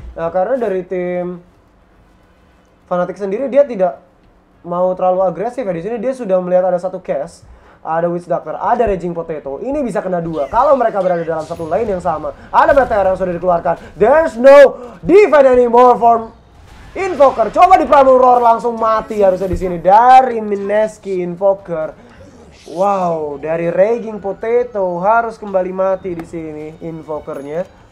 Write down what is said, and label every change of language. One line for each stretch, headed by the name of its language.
Indonesian: Nah, karena dari tim Fnatic sendiri dia tidak mau terlalu agresif ya di sini. Dia sudah melihat ada satu cast, ada Witch Doctor, ada Raging Potato. Ini bisa kena dua. Kalau mereka berada dalam satu lane yang sama, ada meteor yang sudah dikeluarkan.
English: There's no defense anymore from Invoker.
Indonesian: Coba di Primal Roar langsung mati harusnya di sini dari Mineski Invoker. Wow, dari Raging Potato harus kembali mati di sini invokernya.